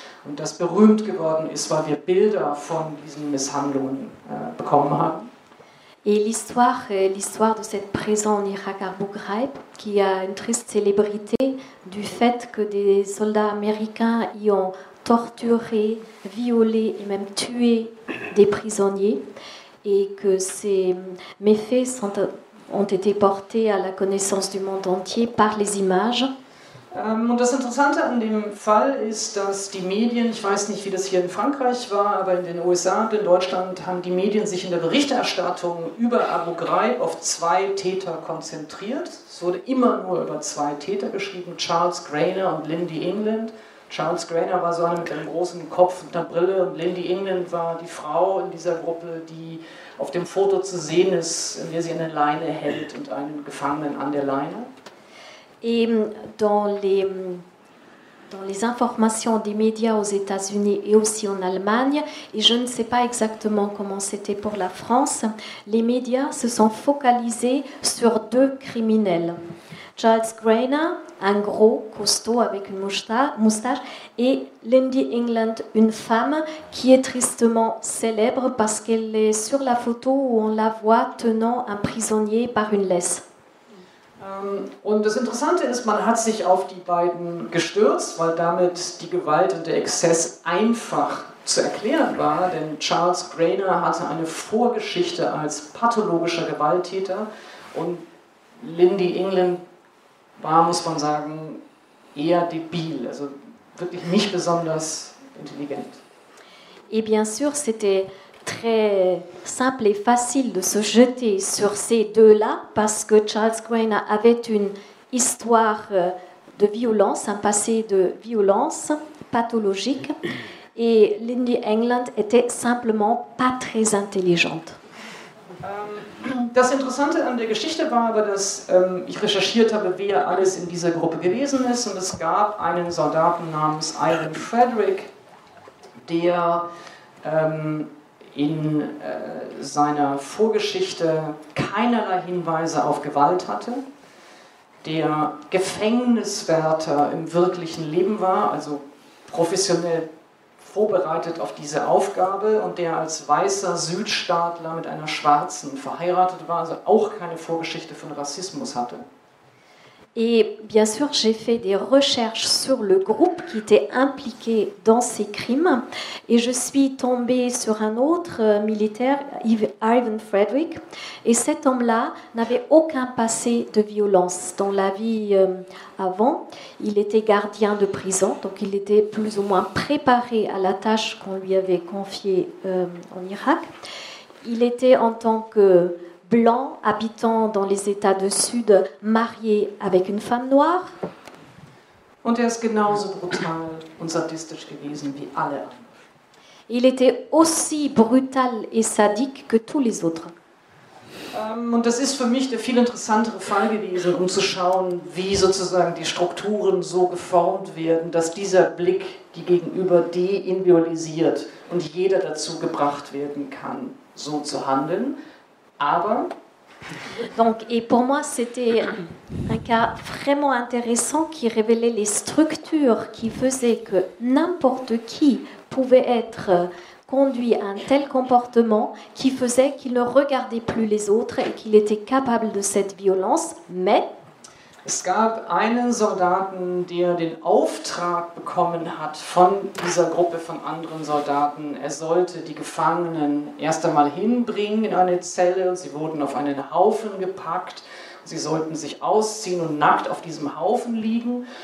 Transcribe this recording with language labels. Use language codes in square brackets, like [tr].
[de] Und das berühmt geworden ist, weil wir Bilder von diesen Misshandlungen bekommen haben. [fr] Et l'histoire de cette prison en Irak, Abu Ghraib, qui a une triste célébrité du fait que des soldats américains y ont torturé, violé et même tué des prisonniers, et que ces méfaits ont été portés à la connaissance du monde entier par les images. [de] Und das Interessante an dem Fall ist, dass die Medien, ich weiß nicht, wie das hier in Frankreich war, aber in den USA und in Deutschland haben die Medien sich in der Berichterstattung über Abu Ghraib auf zwei Täter konzentriert. Es wurde immer nur über zwei Täter geschrieben, Charles Grainer und Lindy England. Charles Grainer war so eine mit einem großen Kopf und einer Brille und Lindy England war die Frau in dieser Gruppe, die auf dem Foto zu sehen ist, in der sie eine Leine hält und einen Gefangenen an der Leine. [fr] Et dans les informations des médias aux États-Unis et aussi en Allemagne, et je ne sais pas exactement comment c'était pour la France, les médias se sont focalisés sur deux criminels. Charles Grainer, un gros costaud avec une moustache, et Lindy England, une femme qui est tristement célèbre parce qu'elle est sur la photo où on la voit tenant un prisonnier par une laisse. [de] Und das Interessante ist, man hat sich auf die beiden gestürzt, weil damit die Gewalt und der Exzess einfach zu erklären war, denn Charles Grainer hatte eine Vorgeschichte als pathologischer Gewalttäter und Lindy England war, muss man sagen, eher debil, also wirklich nicht besonders intelligent. [fr] Et bien sûr, c'était très simple et facile de se jeter sur ces deux-là parce que Charles Grainer avait une histoire de violence, un passé de violence pathologique et Lindy England était simplement pas très intelligente. [de] Das Interessante an der Geschichte war aber, dass ich recherchiert habe, wer alles in dieser Gruppe gewesen ist und es gab einen Soldaten namens Iron Frederick, der in seiner Vorgeschichte keinerlei Hinweise auf Gewalt hatte, der Gefängniswärter im wirklichen Leben war, also professionell vorbereitet auf diese Aufgabe und der als weißer Südstaatler mit einer Schwarzen verheiratet war, also auch keine Vorgeschichte von Rassismus hatte. [fr] Et bien sûr, j'ai fait des recherches sur le groupe qui était impliqué dans ces crimes et je suis tombée sur un autre militaire, Ivan Frederick, et cet homme-là n'avait aucun passé de violence dans la vie avant. Il était gardien de prison, donc il était plus ou moins préparé à la tâche qu'on lui avait confiée en Irak. Il était en tant que blanc habitant dans les États du Sud, marié avec une femme noire. [de] Und ist genauso brutal und sadistisch gewesen wie alle. [fr] Il était aussi brutal et sadique que tous les autres. [de] Und das ist für mich der viel interessantere Fall gewesen, um zu schauen, wie sozusagen die Strukturen so geformt werden, dass dieser Blick die gegenüber deindividualisiert und jeder dazu gebracht werden kann, so zu handeln. [fr] Donc, et pour moi, c'était un cas vraiment intéressant qui révélait les structures qui faisaient que n'importe qui pouvait être conduit à un tel comportement qui faisait qu'il ne regardait plus les autres et qu'il était capable de cette violence. Mais [de] es gab einen Soldaten, der den Auftrag bekommen hat von dieser Gruppe von anderen Soldaten. Er sollte die Gefangenen erst einmal hinbringen in eine Zelle. Sie wurden auf einen Haufen gepackt. Sie sollten sich ausziehen und nackt auf diesem Haufen liegen.